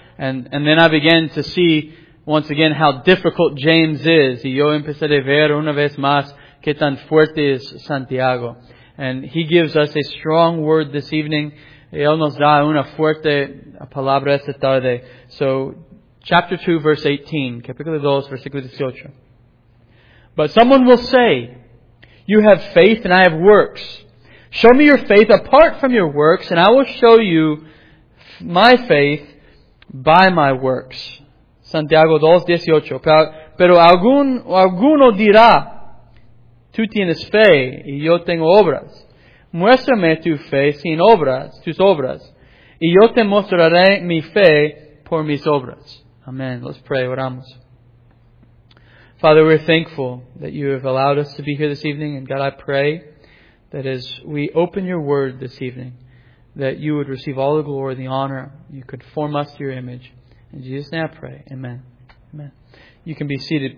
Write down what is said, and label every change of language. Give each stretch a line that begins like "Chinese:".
English: And then I began to see once again how difficult James is.
Spanish: Y yo empecé a ver una vez más qué tan fuerte es Santiago.
English: And he gives us a strong word this evening.
Spanish: Él nos da una fuerte palabra esta tarde.
English: So, chapter 2, verse 18.
Spanish: Capítulo 2, versículo 18.
English: But someone will say, "You have faith and I have works. Show me your faith apart from your works, and I will show you my faith by my works."
Spanish: Santiago 2, 18. Pero alguno dirá, "Tú tienes fe y yo tengo obras. Muéstrame tu fe sin obras, tus obras, y yo te mostraré mi fe por mis obras."
English: Amen. Let's pray.
Spanish: Oramos.
English: Father, we're thankful that you have allowed us to be here this evening. And God, I pray that as we open your word this evening, that you would receive all the glory, the honor. You could form us to your image. In Jesus' name I pray. Amen. Amen. You can be seated.